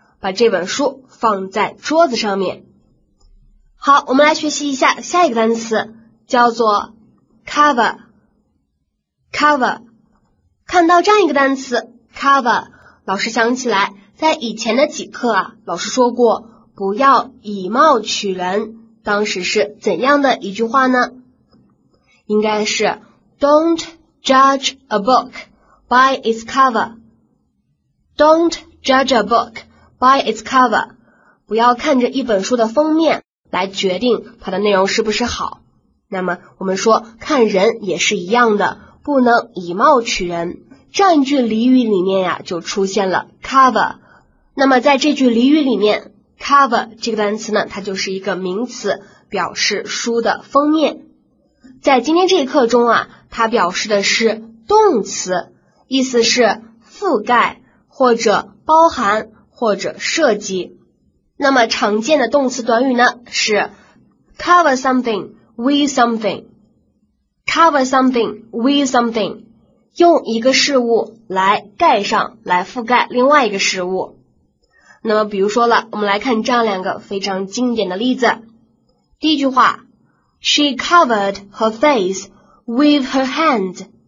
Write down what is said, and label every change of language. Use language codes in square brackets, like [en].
[zh] 把这本书放在桌子上面。好，我们来学习一下下一个单词，叫做 cover。 cover， 看到这样一个单词 cover， 老师想起来在以前的几课啊，老师说过不要以貌取人，当时是怎样的一句话呢？应该是 [en] Don't judge a book by its cover。 Don't judge a book by its cover， [zh] 不要看着一本书的封面来决定它的内容是不是好。那么我们说看人也是一样的，不能以貌取人。这样一句俚语里面呀，就出现了 cover。那么在这句俚语里面， cover 这个单词呢，它就是一个名词，表示书的封面。在今天这一课中啊，它表示的是动词，意思是覆盖或者包含或者涉及。那么常见的动词短语呢，是 [en] cover something with something。 Cover something with something， [zh] 用一个事物来盖上，来覆盖另外一个事物。那么比如说了，我们来看这样两个非常经典的例子。第一句话， [en] She covered her face with her hands.